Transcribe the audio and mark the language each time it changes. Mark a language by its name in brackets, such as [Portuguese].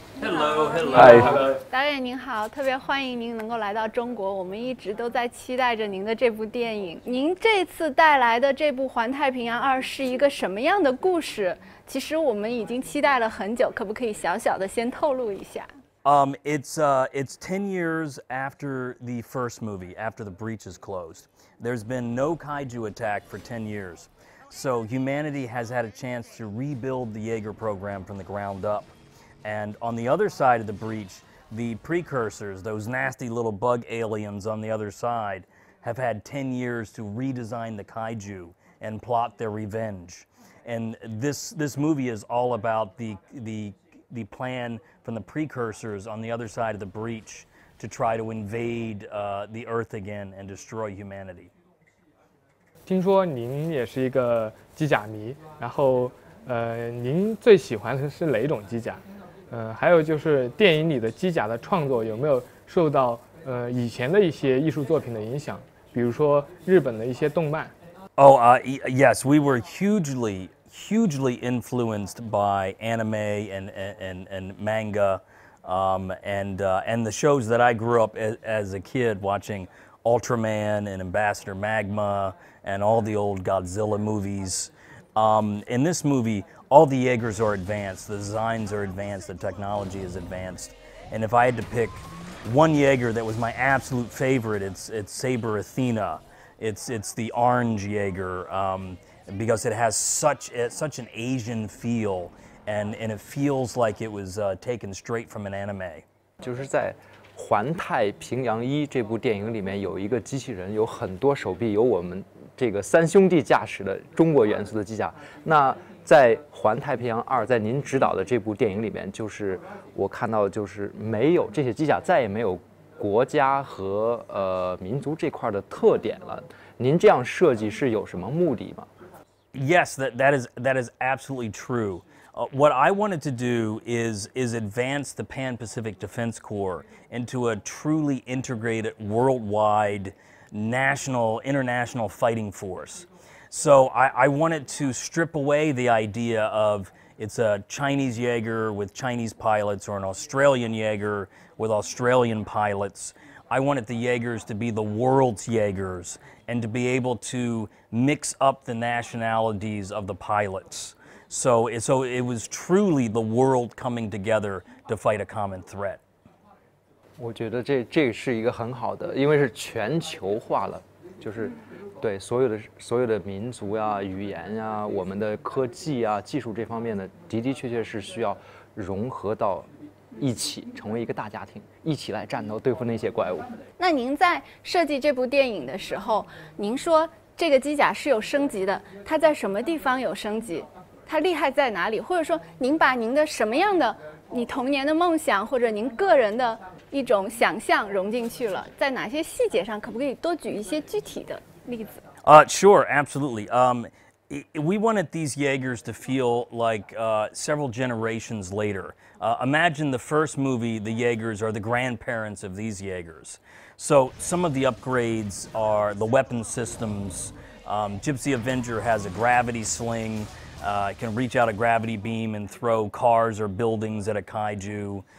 [English] Hello, [Chinese] 导演您好，特别欢迎您能够来到中国，我们一直都在期待着您的这部电影。您这次带来的这部《环太平洋二》是一个什么样的故事？其实我们已经期待了很久，可不可以小小的先透露一下？ [English] It's 10 years after the first movie, after the breach is closed. There's been no kaiju attack for 10 years, so humanity has had a chance to rebuild the Jaeger program from the ground up. And on the other side of the breach, the precursors, those nasty little bug aliens on the other side, have had 10 years to redesign the kaiju and plot their revenge. And this movie is all about the plan from the precursors on the other side of the breach to try to invade the Earth again and destroy humanity. [Chinese] 听说您也是一个机甲迷，然后您最喜欢的是哪种机甲？还有就是电影里的机甲的创作有没有受到以前的一些艺术作品的影响，比如说日本的一些动漫。 [English] Yes, we were hugely influenced by anime and manga, and the shows that I grew up as a kid watching, Ultraman and Ambassador Magma and all the old Godzilla movies. In this movie, all the Jaegers are advanced, the designs are advanced, the technology is advanced. And if I had to pick one Jaeger that was my absolute favorite, it's Saber Athena. It's the orange Jaeger, because it has such an Asian feel, and it feels like it was taken straight from an anime. [Chinese] 就是在《环太平洋一》这部电影里面有一个机器人，有很多手臂，有我们这个三兄弟驾驶的中国元素的机甲。那在《环太平洋二》在您执导的这部电影里面，就是我看到就是没有这些机甲，再也没有国家和民族这块的特点了。您这样设计是有什么目的吗？ [English] Yes, that is absolutely true. What I wanted to do is advance the Pan-Pacific Defense Corps into a truly integrated worldwide national, international fighting force. So I wanted to strip away the idea of it's a Chinese Jaeger with Chinese pilots or an Australian Jaeger with Australian pilots. I wanted the Jaegers to be the world's Jaegers and to be able to mix up the nationalities of the pilots. So it was truly the world coming together to fight a common threat. [Chinese] 我觉得这是一个很好的，因为是全球化了，就是对所有的民族呀、语言呀、我们的科技啊、技术这方面的，的的确确是需要融合到一起，成为一个大家庭，一起来战斗，对付那些怪物。那您在设计这部电影的时候，您说这个机甲是有升级的，它在什么地方有升级？它厉害在哪里？或者说您把您的什么样的你童年的梦想或者您个人的一种想象融进去了，在哪些细节上，可不可以多举一些具体的例子？ [English] Sure, absolutely. We wanted these Jaegers to feel like several generations later. Imagine the first movie, the Jaegers are the grandparents of these Jaegers. So some of the upgrades are the weapon systems. Gypsy Avenger has a gravity sling. It can reach out a gravity beam and throw cars or buildings at a kaiju.